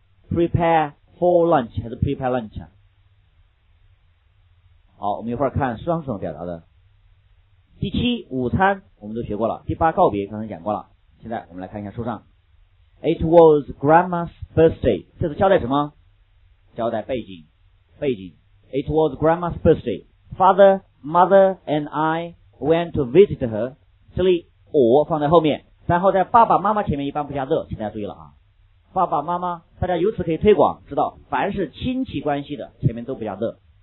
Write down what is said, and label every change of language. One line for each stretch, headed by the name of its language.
English: Prepare for lunch
Chinese: 还是
English: prepare lunch？
Chinese: 好，我们一会儿看书上是怎么表达的。第七，午餐我们都学过了。第八，告别刚才讲过了。现在我们来看一下书上。
English: It was grandma's birthday，
Chinese: 这是交代什么？交代背景。
English: It was grandma's birthday， Father, mother and I went to visit her.
Chinese: 这里我放在后面，然后在爸爸妈妈前面一般不加the，请大家注意了啊。爸爸妈妈，大家由此可以推广，知道凡是亲戚关系的前面都不加the。